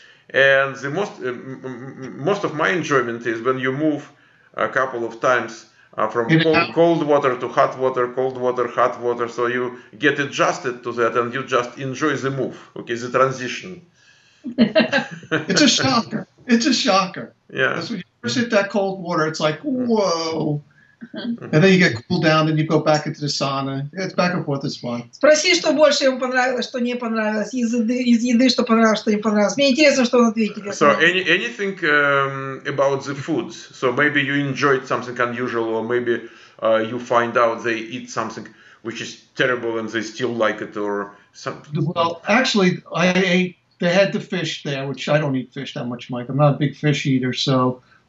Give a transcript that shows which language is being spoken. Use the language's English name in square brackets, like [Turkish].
[English] And the most of my enjoyment is when you move a couple of times from cold water to hot water, cold water, hot water, so you get adjusted to that and you just enjoy the move, okay, the transition. It's a shocker. Yeah. Because when you first hit that cold water, it's like, whoa. And then you get cooled down, and you go back into the sauna. It's back and forth, it's fun. [Russian] Спроси, что больше ему понравилось, что не понравилось, из еды, что понравилось, что не понравилось. Мне интересно, что он ответит. [English] So, anything about the foods? So, maybe you enjoyed something unusual, or maybe you find out they eat something which is terrible, and they still like it, or something. Well, actually, they had the fish there, which I don't eat fish that much, Mike. I'm not a big fish eater, so...